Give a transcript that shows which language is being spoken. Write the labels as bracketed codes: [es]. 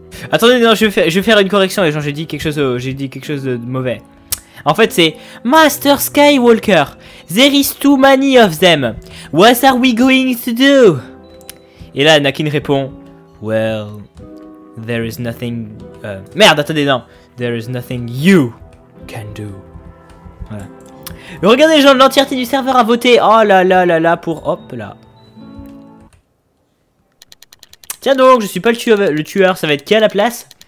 [fr] Attendez, non, je vais faire une correction, les gens. J'ai dit quelque chose de mauvais. En fait, c'est Master Skywalker. [en] There is too many of them. What are we going to do? [fr] Et là, Anakin répond: [en] Well, there is nothing. [fr] Merde, attendez, non. [en] There is nothing you can do. [fr] Voilà. Regardez, les gens, l'entièreté du serveur a voté. Oh là là là là, pour. Hop là. Tiens donc, je suis pas le tueur, ça va être qui à la place?